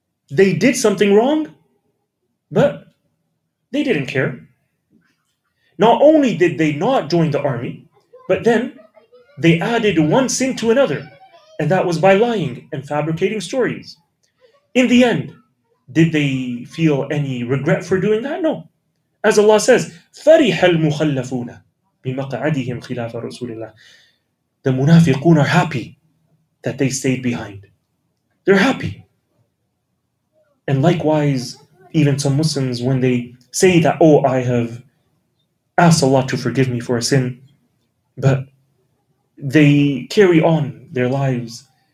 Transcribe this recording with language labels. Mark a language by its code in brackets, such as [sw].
[en] They did something wrong, but they didn't care. Not only did they not join the army, but then they added one sin to another, and that was by lying and fabricating stories. In the end, did they feel any regret for doing that? No. As Allah says, [ar] فَرِحَ الْمُخَلَّفُونَ بِمَقْعَدِهِمْ خِلَافَ رَسُولِ اللَّهِ. [en] The munafiqun are happy that they stayed behind. They're happy. And likewise, even some Muslims, when they say that, oh, I have asked Allah to forgive me for a sin, but they carry on their lives.